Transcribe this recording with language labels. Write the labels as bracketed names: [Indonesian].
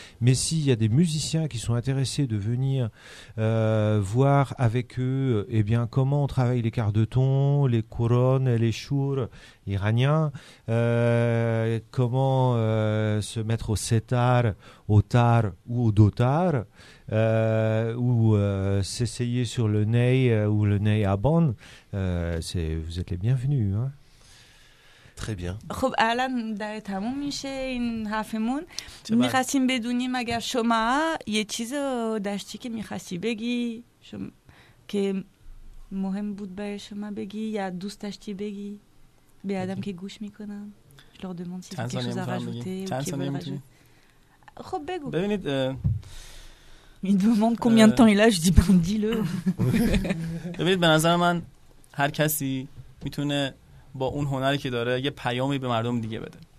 [French] Mais s'il y a des musiciens qui sont intéressés de venir voir avec eux, eh bien, comment on travaille les quarts de ton, les couronnes, les chours iraniens, comment se mettre au setar, au tar ou au dotar. Ou s'essayer sur le ney ou le ney aban, vous êtes les bienvenus. Hein. Très bien. [Persian] خب الان داره تموم میشه این حرفمون. می‌خواستیم بدونیم اگر شما یه چیزی داشتی که می‌خواستی بگی که مهم بود برای شما بگی یا دوست داشتی بگی به آدم که گوش می‌کنن. [French] Je leur demande si quelque chose à rajouter ou qu'ils veulent rajouter. [Persian] خب بگو. ببینید این دومان کمیان تانیلا جدی بهم دیلو ببینید به نظر من هر کسی میتونه با اون هنری که داره یه پیامی به مردم دیگه بده.